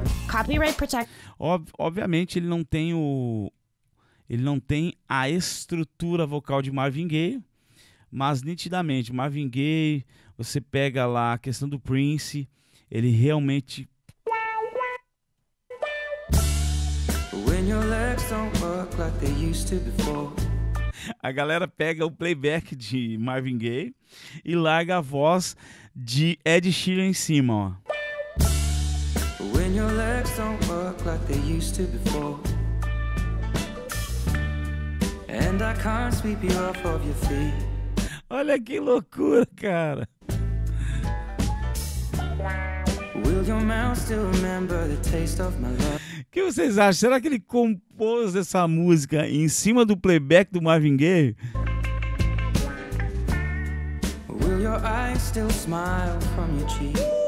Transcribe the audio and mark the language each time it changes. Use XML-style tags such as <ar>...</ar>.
<en>Copyright protect.</en> <pt>Obviamente ele não tem o... ele não tem a estrutura vocal de Marvin Gaye, mas nitidamente, Marvin Gaye, você pega lá a questão do Prince, ele realmente...</pt> <en>When your legs don't work like they used to before.</en> <pt>A galera pega o playback de Marvin Gaye e larga a voz de Ed Sheeran em cima, ó.</pt> <en>When your legs don't work like they used to before. And I can't sweep you off of your feet.</en> <pt>Olha que loucura, cara.</pt> <en>Will your mouth still remember the taste of my love?</en> <pt>O que vocês acham? Será que ele compôs essa música em cima do playback do Marvin Gaye?</pt> <en>Will your eyes still smile from your cheek?</en>